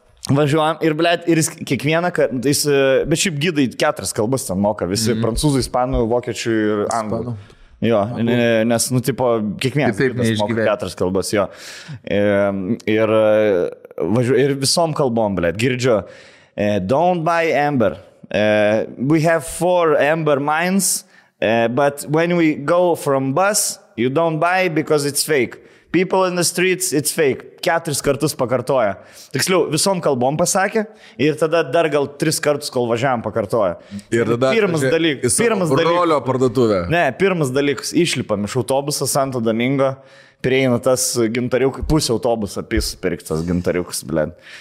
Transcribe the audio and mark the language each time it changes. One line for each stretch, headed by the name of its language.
Lithuanian: Važiuojam ir, blėt, ir jis kiekvieną, jis, bet šiaip gydai keturis kalbas ten moka, visi prancūzų, ispanų, vokiečių ir anglų. Jo, nes, nu, tipo, kiekvienas moka keturis kalbas, jo. Ir, važiuoju, ir visom kalbom, blėt, girdžiu,
English: don't buy amber, we have four amber mines, but when we go from bus, you don't buy because it's fake. People in the streets, it's fake.
Lithuanian: Keturis kartus pakartoja. Tiksliau, visom kalbom pasakė, ir tada dar gal tris kartus, kol važiavom, pakartoja. Ir tada pirmas dalykas. Brolio parduotuvė. Ne, pirmas dalykas, išlipam iš autobuso Santo Domingo, prieina tas gintariukas, pusė autobusą pisų pirktas gintariukas, blėt.